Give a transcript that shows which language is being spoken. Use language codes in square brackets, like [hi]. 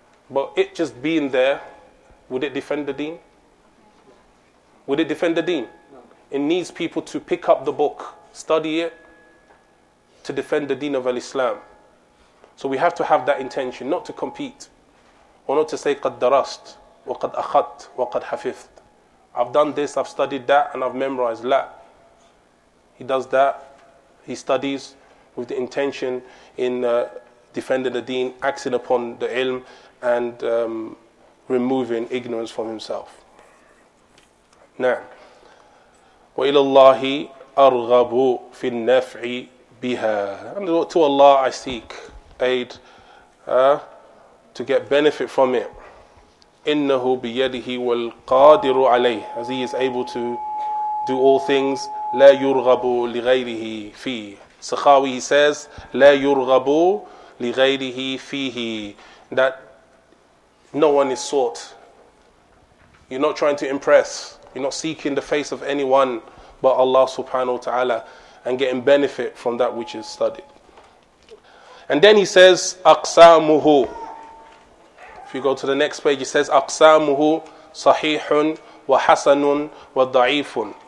[en] But it just being there, would it defend the deen? Would it defend the deen? It needs people to pick up the book, study it, to defend the deen of al-Islam. So we have to have that intention, not to compete. Or not to say, [ar] قَدْ دَرَسْتْ وَقَدْ أَخَدْتْ وَقَدْ حَفِفْتْ. [en] I've done this, I've studied that, and I've memorized that. He does that, he studies with the intention in defending the deen, acting upon the ilm, and removing ignorance from himself. Now, [ar] وَإِلَى اللَّهِ أَرْغَبُ فِي النَّفْعِ بِهَا. [en] And to Allah I seek aid, to get benefit from it. [ar] إِنَّهُ بِيَدِهِ وَالْقَادِرُ عَلَيْهِ. [en] As he is able to do all things, [ar] لَا يُرْغَبُ لِغَيْرِهِ فِيهِ. [en] Sakhawi says, [ar] لَا يُرْغَبُ لِغَيْرِهِ فِيهِ. [en] That no one is sought. You're not trying to impress. You're not seeking the face of anyone but Allah subhanahu wa ta'ala and getting benefit from that which is studied. And then he says, أَقْسَامُهُ. If you go to the next page, he says, [ar] أَقْسَامُهُ صَحِيحٌ وَحَسَنٌ وَضَعِيفٌ.